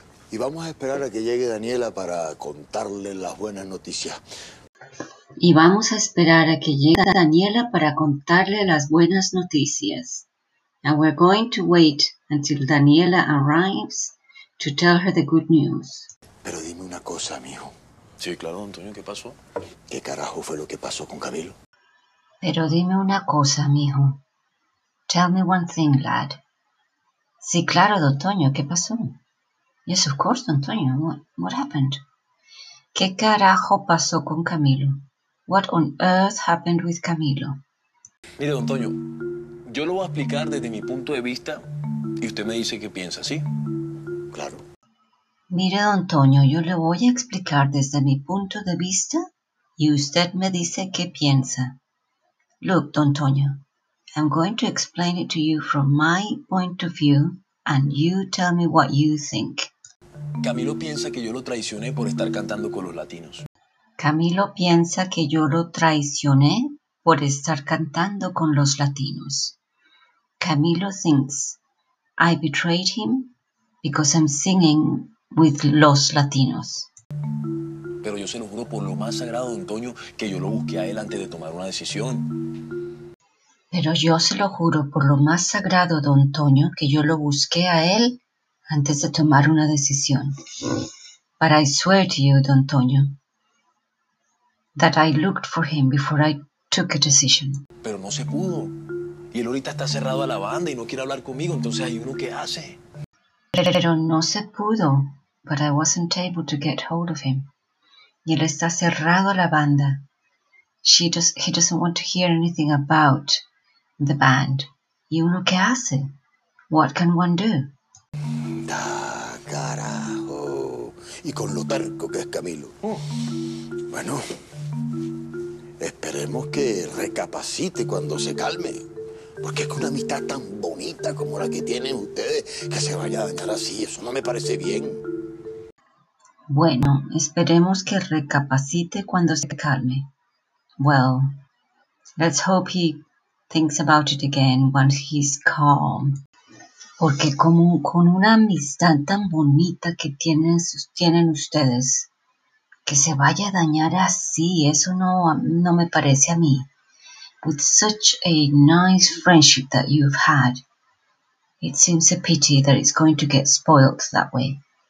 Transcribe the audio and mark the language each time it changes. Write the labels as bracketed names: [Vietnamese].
[Spanish] Y vamos a esperar a que llegue Daniela para contarle las buenas noticias. Y vamos a esperar a que llegue Daniela para contarle las buenas noticias. [English] And we're going to wait until Daniela arrives to tell her the good news. [Spanish] Pero dime una cosa, mijo. Sí, claro, don Toño, ¿qué pasó? ¿Qué carajo fue lo que pasó con Camilo? Pero dime una cosa, mijo. [English] Tell me one thing, lad. [Spanish] Sí, claro, don Toño, ¿qué pasó? [English] Yes, of course, don Toño, what happened? [Spanish] ¿Qué carajo pasó con Camilo? [English] What on earth happened with Camilo? [Spanish] Mire, don Toño, yo lo voy a explicar desde mi punto de vista y usted me dice qué piensa, ¿sí? Claro. Mire, don Toño, yo le voy a explicar desde mi punto de vista y usted me dice qué piensa. [English] Look, don Toño, I'm going to explain it to you from my point of view and you tell me what you think. [Spanish] Camilo piensa que yo lo traicioné por estar cantando con los latinos. Camilo piensa que yo lo traicioné por estar cantando con los latinos. [English] Camilo thinks I betrayed him because I'm singing with los latinos. [Spanish] Pero yo se lo juro por lo más sagrado, don Toño, que yo lo busqué a él antes de tomar una decisión. Pero yo se lo juro por lo más sagrado, don Toño, que yo lo busqué a él antes de tomar una decisión. [English] But I swear to you, don Toño, that I looked for him before I took a decision. [Spanish] Pero no se pudo. Y él ahorita está cerrado a la banda y no quiere hablar conmigo, entonces ahí uno qué hace. Pero no se pudo, [English] but I wasn't able to get hold of him. [Spanish] Y él está cerrado a la banda. [English] He doesn't want to hear anything about the band. [Spanish] ¿Y uno qué hace? [English] What can one do? [Spanish] Da, carajo. Y con lo terco que es Camilo. Oh. Bueno, esperemos que recapacite cuando se calme. Porque es que una amistad tan bonita como la que tienen ustedes, que se vaya a dañar así, eso no me parece bien. Bueno, esperemos que recapacite cuando se calme. [English] Well, let's hope he thinks about it again once he's calm. [Spanish] Porque como con una amistad tan bonita que tienen ustedes, que se vaya a dañar así, eso no me parece a mí. [English] With such a nice friendship that you've had, it seems a pity that it's going to get spoiled that way.